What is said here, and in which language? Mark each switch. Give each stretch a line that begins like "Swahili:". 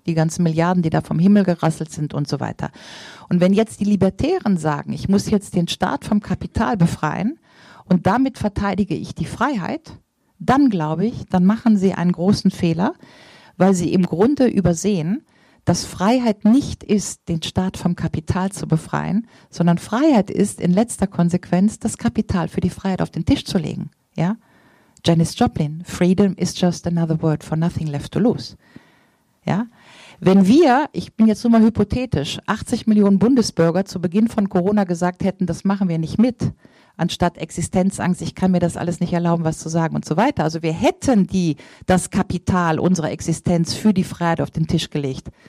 German: Die ganzen Milliarden, die da vom Himmel gerasselt sind und so weiter. Und wenn jetzt die Libertären sagen, ich muss jetzt den Staat vom Kapital befreien und damit verteidige ich die Freiheit, dann glaube ich, dann machen sie einen großen Fehler, weil sie im Grunde übersehen, dass Freiheit nicht ist, den Staat vom Kapital zu befreien, sondern Freiheit ist, in letzter Konsequenz, das Kapital für die Freiheit auf den Tisch zu legen, ja?
English: Janis Joplin, freedom is just another word for nothing left to lose.
German: Ja? Wenn wir, ich bin jetzt nur mal hypothetisch, 80 Millionen Bundesbürger zu Beginn von Corona gesagt hätten, das machen wir nicht mit, anstatt Existenzangst, ich kann mir das alles nicht erlauben, was zu sagen und so weiter. Also wir hätten das Kapital unserer Existenz für die Freiheit auf den Tisch gelegt.